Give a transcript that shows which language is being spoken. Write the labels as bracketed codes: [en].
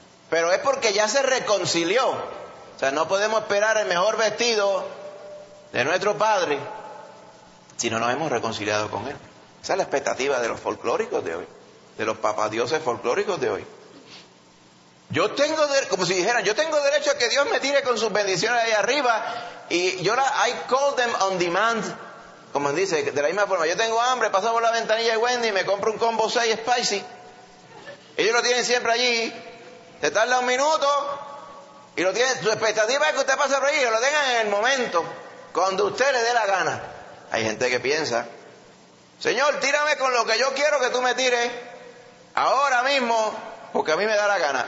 [es] Pero es porque ya se reconcilió. O sea, no podemos esperar el mejor vestido de nuestro padre si no nos hemos reconciliado con él. Esa es la expectativa de los folclóricos de hoy, de los papadioses folclóricos de hoy. Yo tengo derecho, como si dijeran, yo tengo derecho a que Dios me tire con sus bendiciones ahí arriba. Y yo [en] I call them on demand. [es] Como dice, de la misma forma, yo tengo hambre, paso por la ventanilla de Wendy y me compro un combo 6 spicy. Ellos lo tienen siempre allí. Se tarda un minuto y lo tiene. Su expectativa es que usted pase por ahí y lo tengan en el momento, cuando usted le dé la gana. Hay gente que piensa: Señor, tírame con lo que yo quiero que tú me tires, ahora mismo, porque a mí me da la gana.